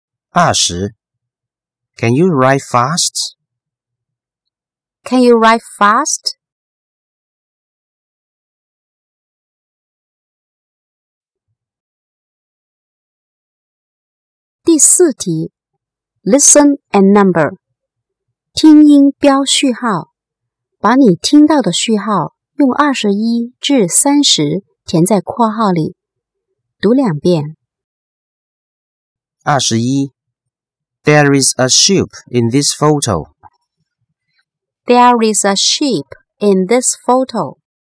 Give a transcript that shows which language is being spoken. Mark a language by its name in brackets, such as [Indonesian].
[English] 二十 Can you ride fast? Can you ride fast? [Chinese] 第四题 [English] Listen and number [Chinese] 听音标序号，把你听到的序号用21至30填在括号里，读两遍。 [English] 21 There is a sheep in this photo. There is a sheep in this photo.